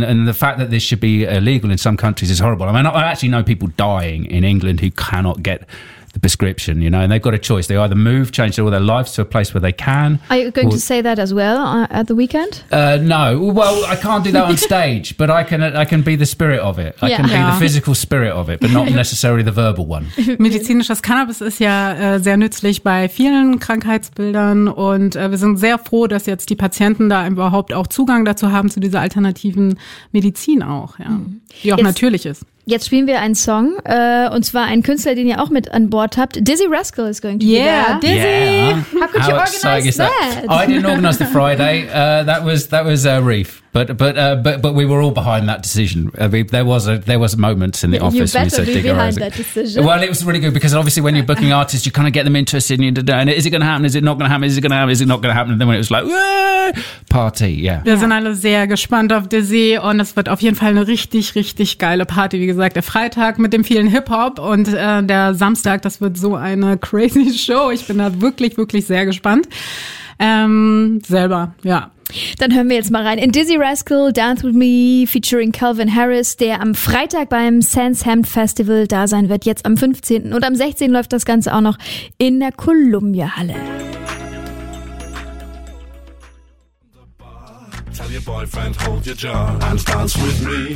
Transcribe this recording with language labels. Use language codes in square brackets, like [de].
[en] And the fact that this should be illegal in some countries is horrible. I mean, I actually know people dying in England who cannot get the prescription, you know, and they've got a choice. They either move, change all their lives to a place where they can. Are you going to say that as well at the weekend? No. Well, I can't do that on stage, but I can be the spirit of it. I can be the physical spirit of it, but not necessarily the verbal one. [de] Medizinisches Cannabis ist ja sehr nützlich bei vielen Krankheitsbildern und wir sind sehr froh, dass jetzt die Patienten da überhaupt auch Zugang dazu haben, zu dieser alternativen Medizin auch, ja, die auch natürlich ist. Jetzt spielen wir einen Song, und zwar einen Künstler, den ihr auch mit an Bord habt. [en] Dizzy Rascal is going to be there. Yeah, Dizzy! Yeah. How could you organize that? I didn't organize the Friday. That was Reef. But we were all behind that decision. I mean, there was moments in the office. You better be behind that decision. Well, it was really good because obviously when you're booking artists, you kind of get them interested in you. And is it going to happen? Is it not going to happen? Is it going to happen? Is it not going to happen? And then when it was like, party, yeah. [de] Wir sind alle sehr gespannt auf Dizzy und es wird auf jeden Fall eine richtig, richtig geile Party. Wie gesagt, der Freitag mit dem vielen Hip-Hop und der Samstag, das wird so eine crazy Show. Ich bin da wirklich, wirklich sehr gespannt. Selber, ja. Dann hören wir jetzt mal rein in Dizzy Rascal, Dance With Me, featuring Calvin Harris, der am Freitag beim Sans Hemp Festival da sein wird, jetzt am 15. Und am 16. läuft das Ganze auch noch in der Columbia Halle. [en] Tell your boyfriend, hold your jaw and dance with me.